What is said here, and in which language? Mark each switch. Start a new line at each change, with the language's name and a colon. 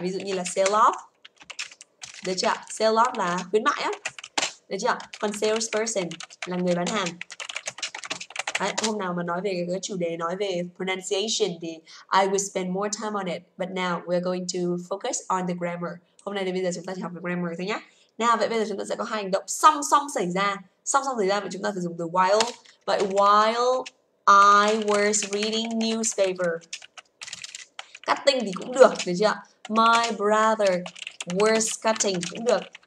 Vietnamese: Ví dụ như là sale off. Được chưa ạ? Sale off là khuyến mại á. Được chưa ạ? Còn salesperson là người bán hàng. Đấy, hôm nào mà nói về cái chủ đề nói về pronunciation thì
English: I will spend more time on it. But now we're going to focus on the grammar.
Vietnamese: Hôm nay thì bây giờ chúng ta chỉ học về grammar thôi nhé. Nào, vậy bây giờ chúng ta sẽ có hai hành động song song xảy ra. Song song xảy ra và chúng ta sẽ dùng từ while. Vậy
English: while I was reading newspaper.
Vietnamese: Cutting thì cũng được, được chưa?
English: My brother was cutting
Vietnamese: cũng được.